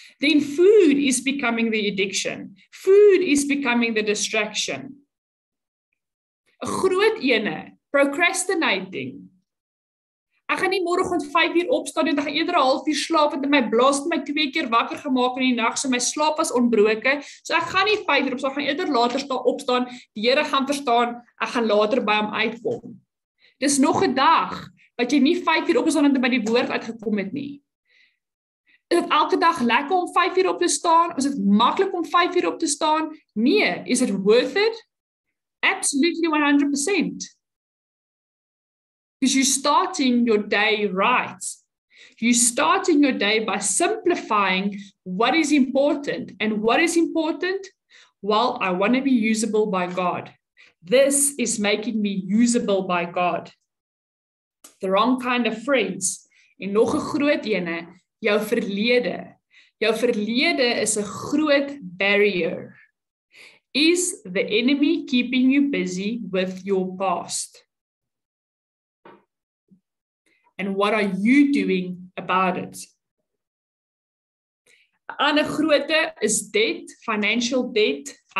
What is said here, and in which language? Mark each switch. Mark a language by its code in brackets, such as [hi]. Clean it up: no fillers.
[en] Then food is becoming the addiction. Food is becoming the distraction. [af] 'N groot ene, [en] procrastinating. [af] Ek gaan nie môreoggend 5 uur opstaan nie, ek gaan eerder 'n halfuur slaap want my blaas my 2 keer wakker gemaak in die nag, so my slaap was ontbroken. So ek gaan nie 5 uur opstaan, ek gaan eerder later opstaan. Die Here gaan verstaan, ek gaan later by hom uitkom. Dis nog 'n dag wat jy nie 5 uur opgestaan het en by die woord uitgekom het nie. Is dit elke dag lekker om 5 uur op te staan? Is dit maklik om 5 uur op te staan? Nee, [en] is it worth it? Absolutely 100%. Because you're starting your day right. You're starting your day by simplifying what is important. And what is important? Well, I want to be usable by God. This is making me usable by God. The wrong kind of friends. [af] En nog 'n groot ene, jou verlede. Jou verlede is 'n groot barrier. [en] Is the enemy keeping you busy with your past? And what are you doing about it? [af] 'N ander groote is [en] debt, financial debt.